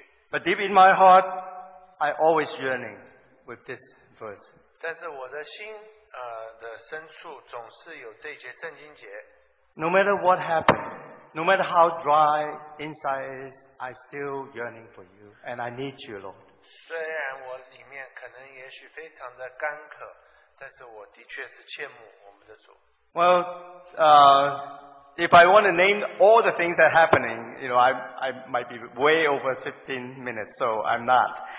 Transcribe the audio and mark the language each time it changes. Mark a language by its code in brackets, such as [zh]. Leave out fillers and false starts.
[en] But deep in my heart, I always yearning with this verse. [zh] 但是我的心的深处总是有这节圣经节。 [en] No matter what happened, no matter how dry inside is, I still yearning for you, and I need you, Lord. [zh] 虽然我里面可能也许非常的干渴，但是我的确是切慕我们的主。 [en] Well, if I want to name all the things that are happening, I might be way over 15 minutes, so I'm not.